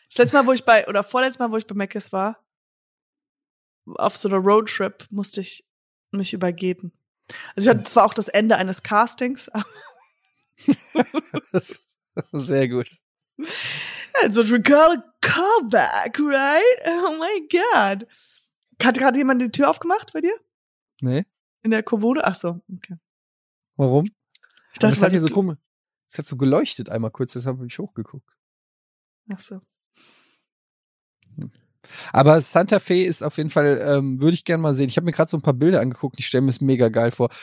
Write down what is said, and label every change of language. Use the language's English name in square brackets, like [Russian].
[German] Das letzte Mal, wo ich bei, oder vorletztes Mal, wo ich bei Megas war, auf so einer Roadtrip, musste ich mich übergeben. Also ich hatte zwar auch das Ende eines Castings, sehr gut. [English] That's what we call a callback, right? Oh my God. [German] Hat gerade jemand die Tür aufgemacht bei dir? Nee. In der Kommode? Ach so, okay. Warum? Ich dachte, das hat hier so komisch. Es hat so geleuchtet einmal kurz, deshalb habe ich hochgeguckt. Ach so. Aber Santa Fe ist auf jeden Fall, würde ich gerne mal sehen. Ich habe mir gerade so ein paar Bilder angeguckt, ich stelle mir es mega geil vor.